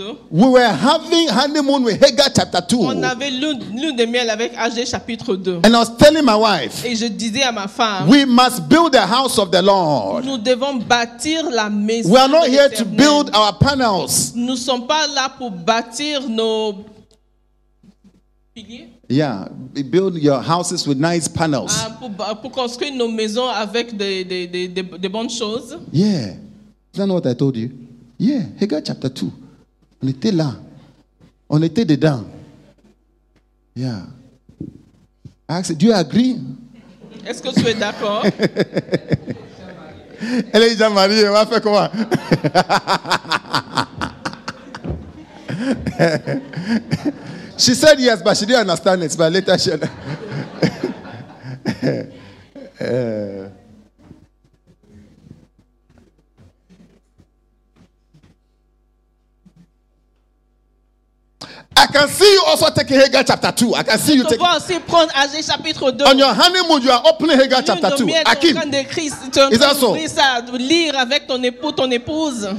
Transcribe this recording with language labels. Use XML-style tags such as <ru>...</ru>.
<en>We were having honeymoon with Hagar chapter 2.</en> <fr>On avait lune de miel avec Agé chapitre 2.</fr> <en>And I was telling my wife.</en> <fr>Et je disais à ma femme.</fr> <en>We must build the house of the Lord.</en> <fr>Nous devons bâtir la maison.</fr> <en>We are not here to build our panels.</en> <fr>Nous sommes pas là pour bâtir nos piliers.</fr> <en>Yeah, build your houses with nice panels.</en> <fr>Pour construire nos maisons avec des bonnes choses.</fr> <en>Yeah, is that not what I told you? Yeah, Hagar chapter 2.</en> <fr>On était là. On était dedans.</fr> <en>Yeah. I asked, do you agree?</en> <fr>Est-ce que tu es d'accord? Elle est déjà mariée, elle va faire comment?</fr> <en>She said yes, but she didn't understand it. But later she... I can see you also taking Hagar chapter 2. I can see you</en> <fr>taking Agé chapitre 2.</fr> <en>On your honeymoon, you are opening Hagar chapter 2. Akim. Is that so?</en> <fr>Lire avec ton époux, ton épouse.</fr>